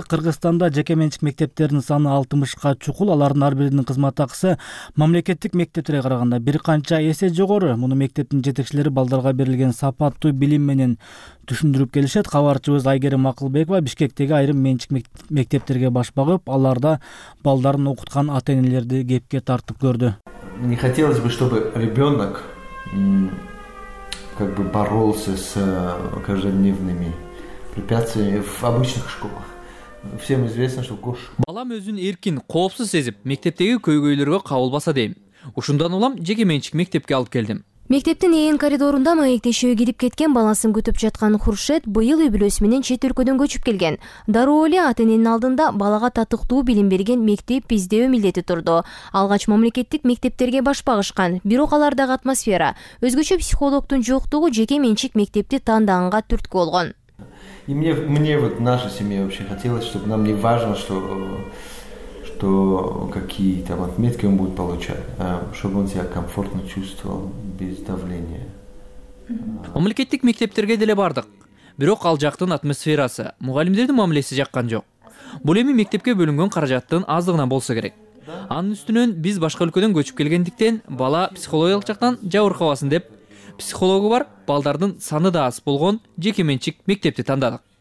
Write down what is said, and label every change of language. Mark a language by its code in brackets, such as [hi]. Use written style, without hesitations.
[ky] Кыргызстанда жеке менчик мектептердин саны 60 чукул, алардын ар биринин кызмат акысы мамлекеттик мектептерге караганда бир канча эсе жогору. Муну мектептин жетекчилери балдарга берилген сапаттуу билим менен түшүндүрүп келишет. Кабарчыбыз Айгерим Акылбекова Бишкектеги айрым менчик мектептерге баш багып, аларда балдарын окуткан ата-энелерди кепке тартып көрдү. [ru] Не хотелось бы, чтобы ребенок как бы боролся с каждодневными препятствиями в обычных школах. Всем известно, что гош. [ky] Балам өзүн эркин, коопсуз сезип, мектептеги көйгөйлөргө кабылбаса дейм. Ушундан улам жеке менчик мектепке алып келдим. Мектептин ээн коридорунда маектешүү кирип кеткен баласын күтүп жаткан Хуршет быйыл үй бүлөсү менен чет өлкөдөн көчүп келген. Дароо эле ата-эненин алдында балага татыктуу билим берген мектеп издөө милдети турду. Алгач мамлекеттик мектептерге баш багышкан, бирок алардагы атмосфера, өзгөчө психологтун жоктугу жеке менчик мектепти тандаганга түрткү болгон. [ru] И мне вот наша семья вообще хотелось, чтобы нам не важно, что какие там отметки он будет получать, а чтобы он себя комфортно чувствовал без давления. [ky] Мамлекеттик мектептерге деле бардык. Бирок ал жактын атмосферасы, мугалимдердин мамилеси жаккан жок. Бул эми мектепке бөлүнгөн каражаттын аздыгынан болсо керек. Анын үстүнөн биз башка өлкөдөн көчүп келгендиктен бала психологиялык жактан жабыркабасын деп психологу бар балдардын саны да аз болгон жеке менчик мектепти тандадык.